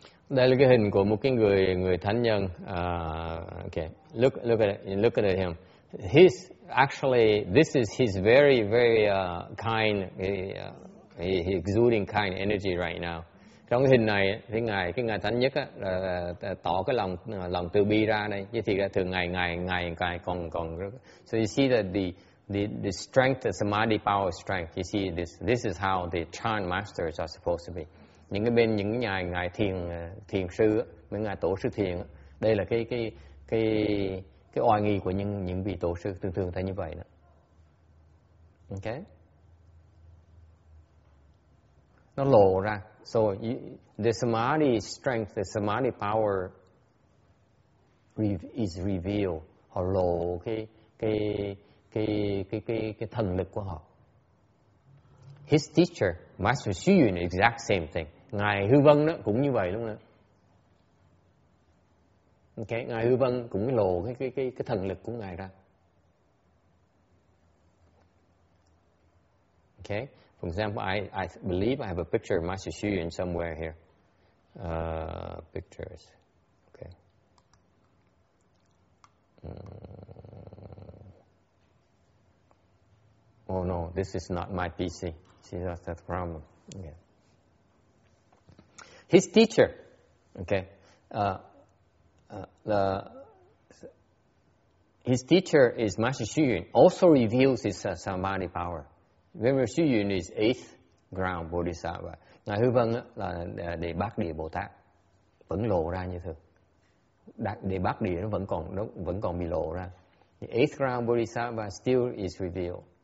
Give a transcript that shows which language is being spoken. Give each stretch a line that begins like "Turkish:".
Vietnamese: Đây là cái hình của một cái người thánh nhân.
English: Okay, look at him. He's actually, this is his very very kind. He exuding kind energy right now.
Vietnamese: trong cái hình này thì ngài, cái ngài thánh nhất á, là tỏ cái lòng lòng từ bi ra đây, chứ thì thường ngày còn rất...
English: So you see that the strength, the samadhi power strength, you see this is how the chan masters are supposed to be.
Vietnamese: Những cái bên những ngài ngài thiền thiền sư, những ngài tổ sư thiền, đây là cái oai nghi của những vị tổ sư thường thường thấy như vậy đó. Ok, nó lộ ra.
English: So the samadhi strength, the samadhi power is revealed.
Vietnamese: Họ lộ cái thần lực của họ.
English: His teacher, Master Xu Yun, exact same thing.
Vietnamese: Ngài Hư Vân đó cũng như vậy luôn đó. Okay, ngài Hư Vân cũng lộ cái thần lực của ngài ra.
English: Okay. For example, I believe I have a picture of Master Xu Yun somewhere here. Pictures. Okay. Oh no, this is not my PC. See, that's the problem. Okay. His teacher. Okay. His teacher is Master Xu Yun, also reveals his samadhi power. Remember, Xu Yun is eighth ground Bodhisattva.
Vietnamese: Ngài Hư Vân là đệ bát địa Bồ Tát, vẫn lộ ra như thường. Đệ bát địa nó vẫn còn bị lộ ra.
English: The eighth ground Bodhisattva still is revealed.